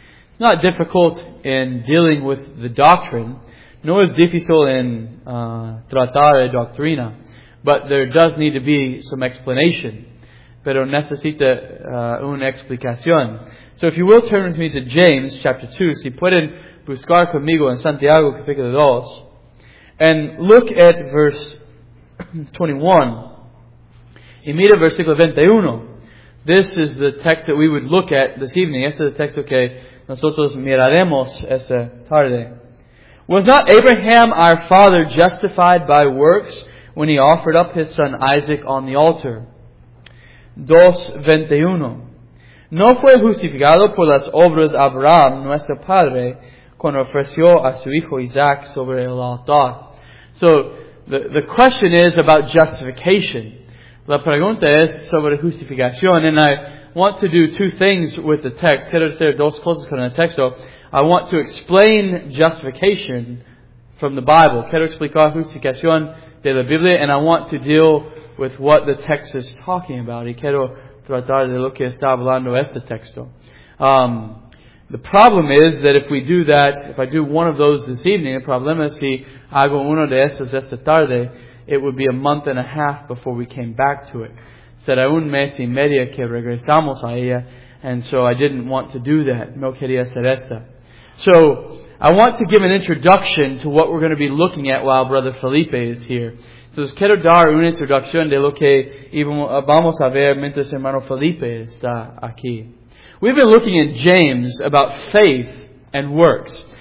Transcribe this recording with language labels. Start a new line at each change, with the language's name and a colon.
English: It's not difficult in dealing with the doctrine, nor is
Spanish: difícil en tratar la doctrina,
English: but there does need to be some explanation.
Spanish: Pero necesita una explicación.
English: So if you will turn with me to James chapter 2,
Spanish: si pueden buscar conmigo en Santiago capítulo 2,
English: and look at verse 21,
Spanish: y mira versículo 21.
English: This is the text that we would look at this evening.
Spanish: Este es el texto que nosotros miraremos esta tarde.
English: Was not Abraham our father justified by works when he offered up his son Isaac on the altar? 2:21.
Spanish: No fue justificado por las obras Abraham, nuestro padre, cuando ofreció a su hijo Isaac sobre el altar.
English: So, the question is about justification.
Spanish: La pregunta es sobre justificación.
English: And I want to do two things with the text.
Spanish: Quiero hacer dos cosas con el texto.
English: I want to explain justification from the Bible.
Spanish: Quiero explicar justificación de la Biblia.
English: And I want to deal with what the text is talking about.
Spanish: Y quiero tratar de lo que está hablando este texto.
English: The problem is that if we do that, if I do one of those this evening,
Spanish: el problema es si hago uno de esos esta tarde,
English: it would be a month and a half before we came back to it.
Spanish: Será un mes y media que regresamos a ella,
English: and so I didn't want to do that.
Spanish: No quería hacer esta.
English: So, I want to give an introduction to what we're going to be looking at while Brother Felipe is here.
Spanish: Entonces, quiero dar una introducción de lo que vamos a ver mientras hermano Felipe está aquí.
English: We've been looking in James about faith and works.